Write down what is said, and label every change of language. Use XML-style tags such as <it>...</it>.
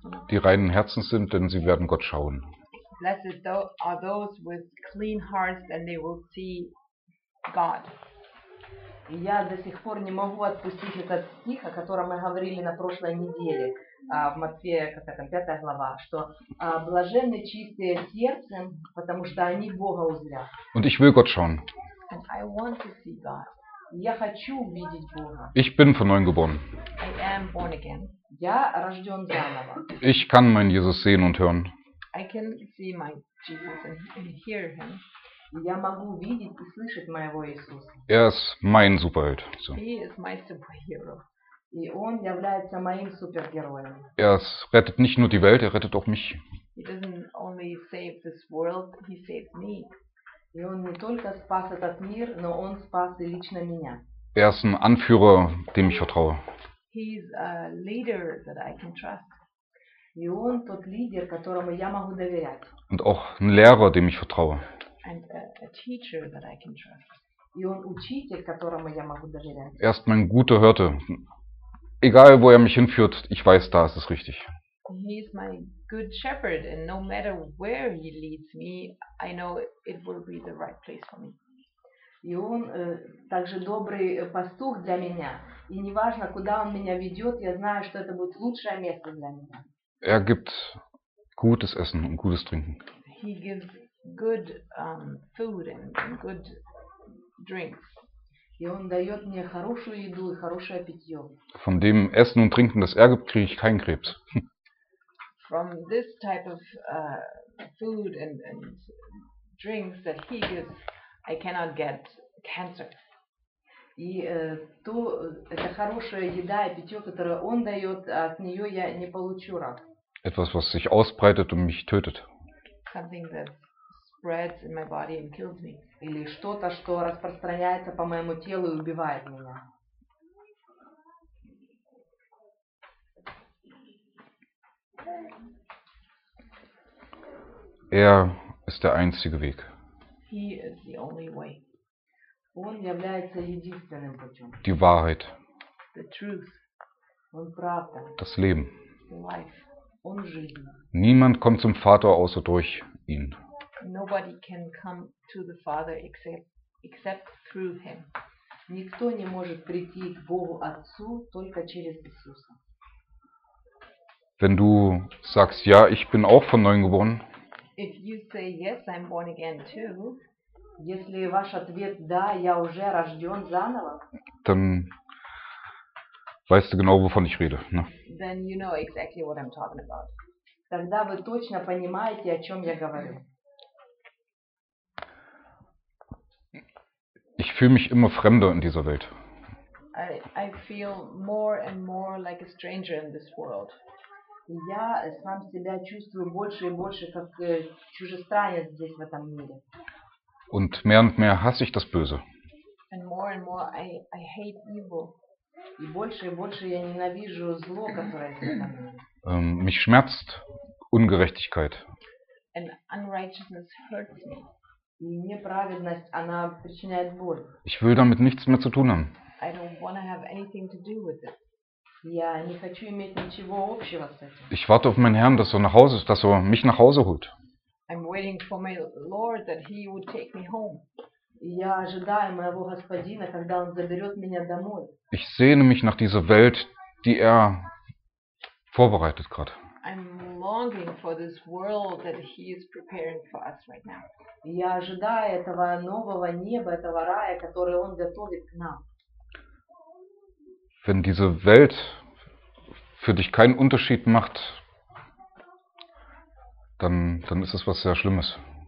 <de>die reinen Herzen sind, denn sie werden Gott schauen.</de> <en>Blessed are those with clean hearts, then they will see God.</en> <ru>Я до сих пор не могу отпустить этот стих, о котором мы говорили на прошлой неделе. В Матфея, какая там, пятая глава, что блаженны чистые сердцем, потому что они Бога узрят.</ru> <de>Und ich will Gott schauen.</de> <en>And I want to see God.</en> <ru>Я хочу видеть Бога.</ru> <de>Ich bin von neuem geboren.</de> <en>I am born again.</en> <ru>Я рожден заново.</ru> <de>Ich kann meinen Jesus sehen und hören.</de> <en>I can see my Jesus and hear him.</en> <ru>Я могу видеть и слышать моего Иисуса.</ru> <de>Er ist mein Superheld.</de> <en>So. He is my superhero.</en> <ru>И он является моим супергероем.</ru> <de>Er rettet nicht nur die Welt, er rettet auch mich.</de> <en>He doesn't only save this world, he saved me.</en> <ru>И он не только спас этот мир, но он спас и лично меня.</ru> <de>Er ist ein Anführer, dem ich vertraue.</de> <en>He is a leader that I can trust.</en> <ru>И он тот лидер, которому я могу доверять.</ru> <de>Und auch ein Lehrer, dem ich vertraue.</de> <en>And a teacher that I can trust.</en> <ru>И он учитель, которому я могу доверять.</ru> <de>Er ist mein guter Hirte. Egal, wo mich hinführt, ich weiß, da ist es richtig.</de> <en>He is my good shepherd, and no matter where he leads me, I know it will be the right place for me.</en> <ru>И он также добрый пастух для меня. И неважно, куда он меня ведет, я знаю, что это будет лучшее место для меня.</ru> <de>Er gibt gutes Essen und gutes Trinken.</de> <en>He gives good food and good drinks.</en> <ru>И он дает мне хорошую еду и хорошее питье.</ru> <de>Von dem Essen und Trinken, das er gibt, kriege ich keinen Krebs.</de> <en>From this type of food and drinks that he gives, I cannot get cancer.</en> <ru>И это хорошая еда и питье, которое он дает, от нее я не получу рак.</ru> <de>Etwas, was sich ausbreitet und mich tötet.</de> <en>Something that spreads in my body and kills me.</en> <ru>Или что-то, что распространяется по моему телу и убивает меня.</ru> <de>Er ist der einzige Weg.</de> <en>He is the only way.</en> <ru>Он является единственным путем.</ru> <de>Die Wahrheit.</de> <en>The truth.</en> <de>Und</de> <ru>Правда.</ru> <de>Das Leben.</de> <en>Life.</en> <de>Und</de> <ru>Жизнь.</ru> <de>Niemand kommt zum Vater außer durch ihn.</de> <en>Nobody can come to the Father except through him.</en> <ru>Никто не может прийти к Богу Отцу только через Иисуса.</ru> <de>Wenn du sagst, ja, ich bin auch von neuem geboren.</de> <en>If you say yes, I'm born again too.</en> <ru>Если ваш ответ да, я уже рожден заново.</ru> <de>Dann weißt du genau, wovon ich rede. Ne?</de> <en>Then you know exactly what I'm talking about.</en> <ru>Тогда вы точно понимаете, о чем я говорю.</ru> <de>Ich fühle mich immer fremder in dieser Welt.</de> <en>I feel more and more like a stranger in this world.</en> <ru>Я сам себя чувствую больше и больше как чужестранец здесь в этом мире.</ru> <de>Und mehr hasse ich das Böse.</de> <en>And more I hate evil.</en> <ru>И больше и больше я ненавижу зло, которое здесь.</ru> <de>Mich schmerzt Ungerechtigkeit.</de> <en>And unrighteousness hurts me.</en> <ru>И неправедность, она причиняет боль.</ru> <de>Ich will damit nichts mehr zu tun haben.</de> <en>I don't wanna have anything to do with it.</en> <ru>Я не хочу иметь ничего общего с этим.</ru> <de>Ich warte auf meinen Herrn, dass er nach Hause, dass er mich nach Hause holt.</de> <en>I'm waiting for my Lord that he would take me home.</en> <ru>Я ожидаю моего господина, когда он заберет меня домой.</ru> <de>Ich sehne mich nach dieser Welt, die er vorbereitet gerade.</de> <en>I'm longing for this world that he is preparing for us right now.</en> <ru>Я ожидаю этого нового неба, этого рая, который он готовит к нам.</ru> <de>Wenn diese Welt für dich keinen Unterschied macht, dann ist es was sehr Schlimmes.</de>